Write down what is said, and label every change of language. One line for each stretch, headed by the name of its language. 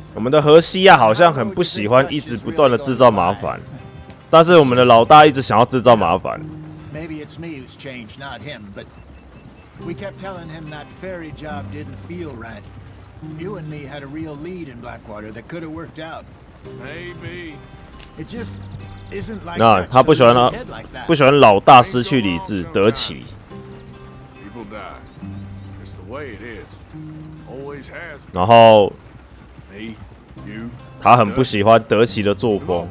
Chinese: 我们的荷西亚好像很不喜欢一直不断的制造麻烦，但是我们的老大一直想要制造麻烦。
English: Maybe it's me who's changed, not him. But we kept telling him that ferry job didn't feel right. You and me had a real lead in Blackwater that could have worked out. Maybe. It just isn't like.
Chinese: 那他不喜欢不喜欢老大失去理智得起。
English: People die. It's the way it is. Always has.
Chinese: 然后。
English: Me, you.
Chinese: 他很不喜欢得起的作风。